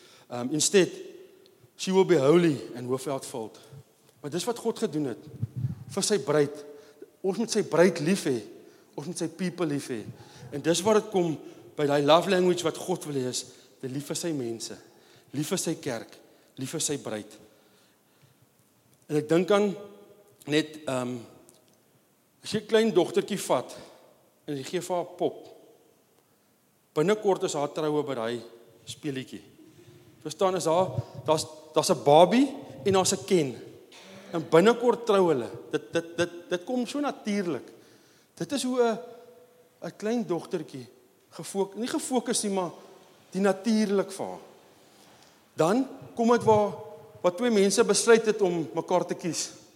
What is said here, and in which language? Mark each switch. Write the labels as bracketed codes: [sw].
[en] Instead, she will be holy and without fault. [af] Maar dis wat God gedoen het vir sy bruid. Ons moet sy bruid lief hê. Ons moet sy [en] people [af] lief hê. En dis waar dit kom by die [en] love language [af] wat God wil hê, is te lief vir sy mense, lief vir sy kerk, lief vir sy bruid. En ek dink aan net as jy 'n klein dogtertjie vat en jy gee vir haar pop. Binnekort is haar troue by daai speelietjie. Verstaan, is haar, daar's 'n babie en daar's 'n Ken. En binnekort trou hulle. Dit kom so natuurlik. Dit is hoe 'n klein dogtertjie nie gefokus nie, maar die natuurlik vir haar. Dan kom dit waar twee mense besluit het om mekaar te kies.